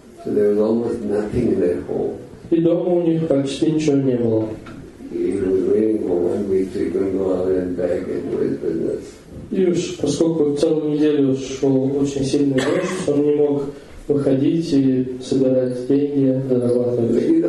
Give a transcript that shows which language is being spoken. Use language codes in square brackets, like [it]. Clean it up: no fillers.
[en] So there was almost nothing in their home. [ru] И дома у них почти ничего не было. [en] He was waiting for 1 week to go out and beg and do his business. [ru] И уж поскольку целую неделю шел очень сильный дождь, он не мог выходить и собирать деньги, зарабатывать.